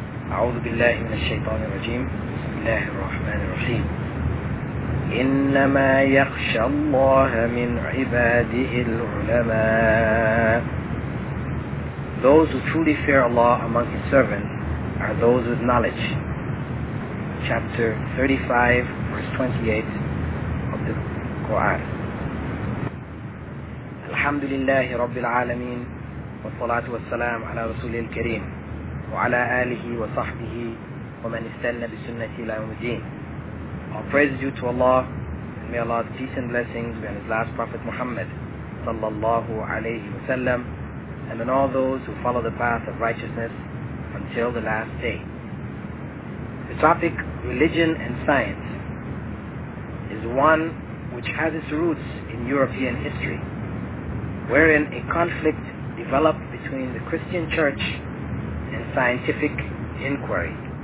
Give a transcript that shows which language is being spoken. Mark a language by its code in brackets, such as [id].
[ar] أعوذ بالله من الشيطان الرجيم بسم الله الرحمن الرحيم إنما يخشى الله من عباده العلماء. [en] Those who truly fear Allah among His servants are those with knowledge. Chapter 35, verse 28 of the Quran. [ar] الحمد لله رب العالمين والصلاة والسلام على رسول الكريم وعلى آله وصحبه ومن استنى بسنته إلى يوم الدين. [en] All praise due to Allah, and may Allah's peace and blessings be on His last Prophet Muhammad sallallahu alayhi wa sallam, and on all those who follow the path of righteousness until the last day. The topic, religion and science, is one which has its roots in European history, wherein a conflict developed between the Christian Church and scientific inquiry.